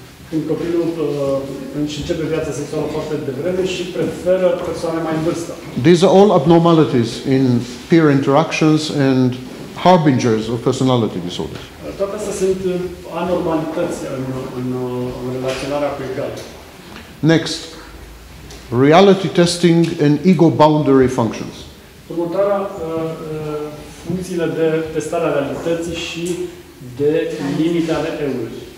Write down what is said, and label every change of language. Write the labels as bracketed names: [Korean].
[Romanian] Când copilul începe viața sexuală foarte devreme și preferă persoane mai în vârstă. [English] These are all abnormalities in peer interactions and harbingers of personality disorders. [Romanian] Toate astea sunt anormalități în relaționarea cu egalii. [English] Next, reality testing and ego boundary functions. [Romanian] Următoarea, funcțiile de testare a realității și de limite ale eului.